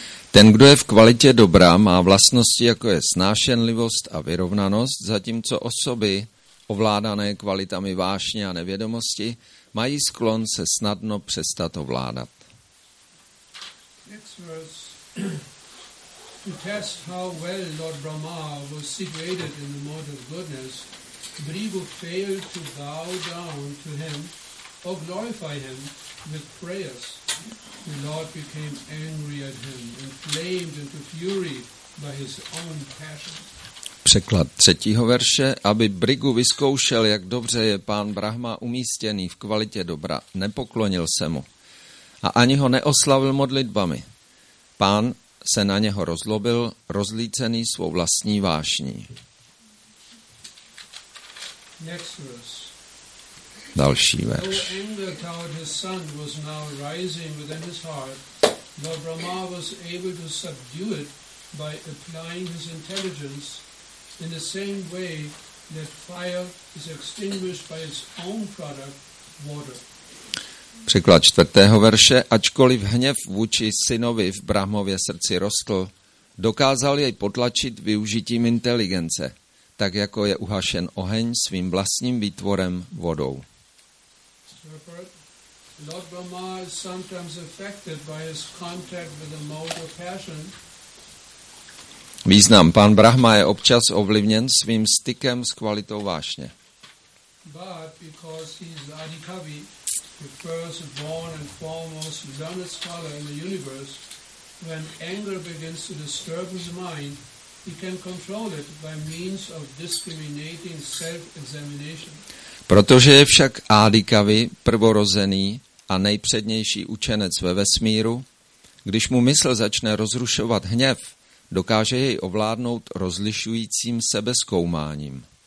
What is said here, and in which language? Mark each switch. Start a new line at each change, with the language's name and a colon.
Czech: Ten, kdo je v kvalitě dobra, má vlastnosti, jako je snášenlivost a vyrovnanost, zatímco osoby ovládané kvalitami vášně a nevědomosti mají sklon se snadno přestat ovládat.
English: Next verse. To test how well Lord Brahma was situated in the mode of goodness, Bhrigu failed to bow down to him or glorify him with prayers. The Lord became angry at him and flamed into fury by his own passion.
Czech: Překlad třetího verše, aby Bhrigu vyzkoušel, jak dobře je pán Brahma umístěný v kvalitě dobra, nepoklonil se mu a ani ho neoslavil modlitbami. Pán se na něho rozlobil, rozlícený svou vlastní vášní. Další verš.
English: Anger toward his son was now rising within his heart, Lord Brahma was able to subdue it by applying his intelligence in the same way that fire is extinguished by its own product, water.
Czech: Překlad čtvrtého verše, ačkoliv hněv vůči synovi v Brahmově srdci rostl, dokázal jej potlačit využitím inteligence, tak jako je uhašen oheň svým vlastním výtvorem vodou.
English: Lord Brahma is sometimes affected by his contact with the mode of passion.
Czech: Význam, pán Brahma je občas ovlivněn svým stykem s kvalitou vášně.
English: But because he is Adikavi, the first born and foremost learned scholar in the universe, when anger begins to disturb his mind, he can control it by means of discriminating self-examination.
Czech: Protože je však Adikavi prvorozený a nejpřednější učenec ve vesmíru, když mu mysl začne rozrušovat hněv, dokáže jej ovládnout rozlišujícím sebezkoumáním.